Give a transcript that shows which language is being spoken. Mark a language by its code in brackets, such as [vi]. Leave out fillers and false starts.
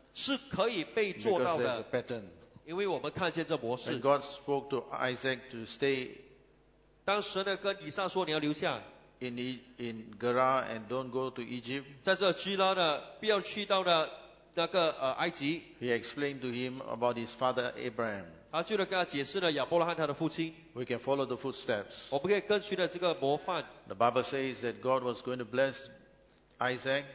[zh] 是可以被做到的, [en] because there is a pattern. [zh] 因为我们看见这模式, [en] when God spoke to Isaac to stay, [zh] 当神呢跟以撒说你要留下, [en] in Gera and don't go to Egypt. [zh] 在这基拉呢，不要去到的那个, [en] Egypt. He explained to him about his father Abraham. [zh] 他就跟他解释了亚伯拉罕他的父亲, [en] we can follow the footsteps. [zh] 我们可以跟随的这个模范, [en] the Bible says that God was going to bless Isaac.